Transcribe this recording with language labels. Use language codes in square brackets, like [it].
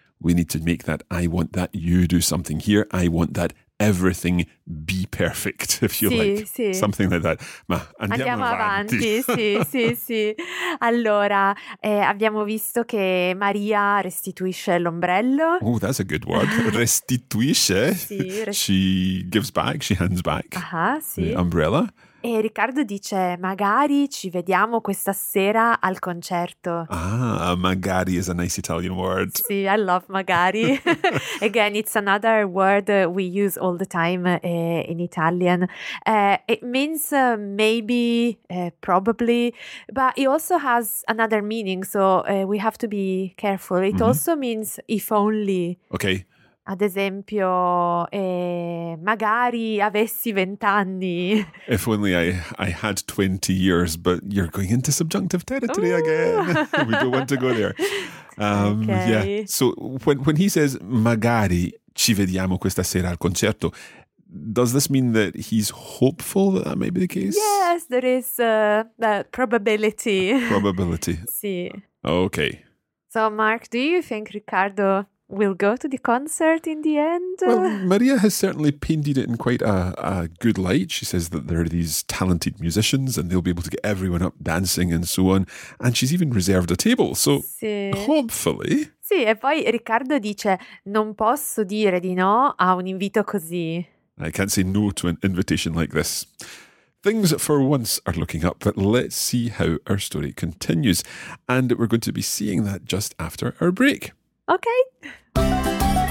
[en] We need to make that I want that you do something here. I want that everything be perfect, if you something like that. [it] Ma andiamo avanti. sì. Allora, abbiamo visto che Maria restituisce l'ombrello. [en] Oh, that's a good word. Restituisce. She gives back, she hands back the umbrella. [it] E Riccardo dice, magari ci vediamo questa sera al concerto. [en] Ah, magari is a nice Italian word. Sì, I love magari. Again, it's another word we use all the time in Italian. It means maybe, probably, but it also has another meaning, so we have to be careful. It also means if only. Okay. [it] Ad esempio, magari avessi 20 anni. [en] If only I had 20 years, but you're going into subjunctive territory again. We don't want to go there. Okay. Yeah. So when he says, [it] magari ci vediamo questa sera al concerto, [en] does this mean that he's hopeful that that may be the case? Yes, there is a probability. Probability. [it] Sì. [en] Okay. So, Mark, do you think Riccardo we'll go to the concert in the end? Well, Maria has certainly painted it in quite a good light. She says that there are these talented musicians and they'll be able to get everyone up dancing and so on. And she's even reserved a table. So hopefully. [it] Sì, e poi Riccardo dice, non posso dire di no a un invito così. [en] I can't say no to an invitation like this. Things for once are looking up, but let's see how our story continues. And we're going to be seeing that just after our break. Okay.